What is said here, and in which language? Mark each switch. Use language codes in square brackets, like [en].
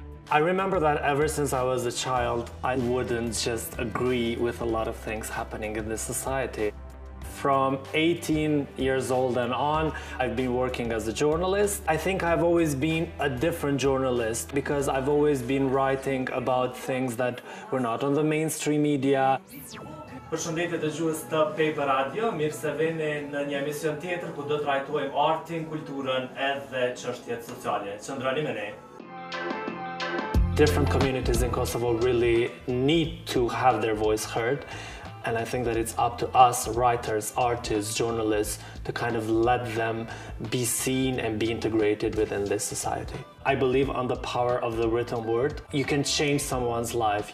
[en] I remember that ever since I was a child, I wouldn't just agree with a lot of things happening in this society. From 18 years old and on, I've been working as a journalist. I think I've always been a different journalist because I've always been writing about things that were not on the mainstream media. [sq] Përshëndetje dëgjues të PEP Radio, mirë se vini në një emision tjetër ku do të trajtojmë artin, kulturën edhe çështjet sociale. Qëndroni me ne. [en] Different communities in Kosovo really need to have their voice heard. And I think that it's up to us, writers, artists, journalists, to kind of let them be seen and be integrated within this society. I believe on the power of the written word. You can change someone's life.